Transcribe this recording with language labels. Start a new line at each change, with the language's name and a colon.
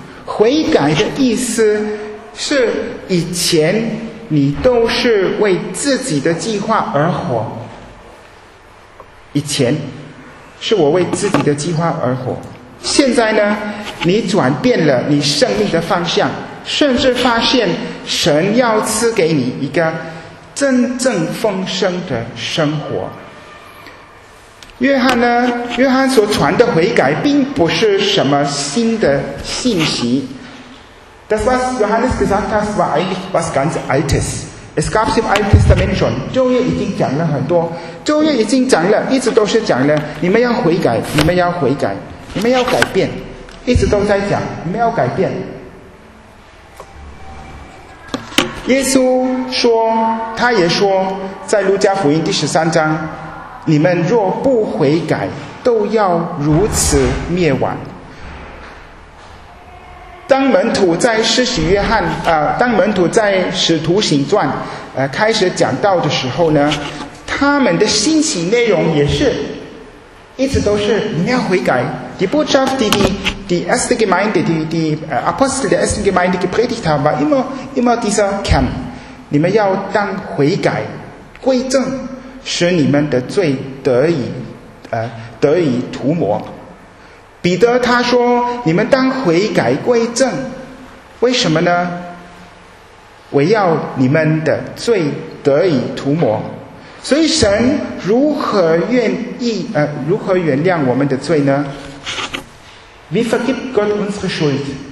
Chinese: 悔改的意思是以前你都是为自己的计划而活，以前是我为自己的计划而活，现在呢，你转变了你生命的方向，甚至发现神要赐给你一个真正丰盛的生活。约翰呢？约翰所传的悔改并不是什么新的信息。
German: Das was Johannes gesagt hat, war eigentlich was ganz Altes. Es gab im Alten Testament schon.
Chinese: 旧约已经讲了很多，旧约已经讲了，一直都是讲了，你们要悔改，你们要悔改，你们要改变，一直都在讲，你们要改变。耶稣说，他也说，在路加福音第十三章，你们若不悔改，都要如此灭亡。当门徒在施洗约翰当门徒在使徒行传开始讲道的时候呢，他们的信息内容也是一直都是你们要悔改。
German: Die Botschaft, die die erste Gemeinde, die Apostel der ersten Gemeinde gepredigt haben, war immer dieser Kern.
Chinese: 你们要当悔改归正，使你们的罪得以涂抹。彼得他说，你们当悔改归正，为什么呢？为要你们的罪得以涂抹。所以神如何愿意如何原谅我们的罪呢？
German: Wie vergibt Gott unsere Schuld?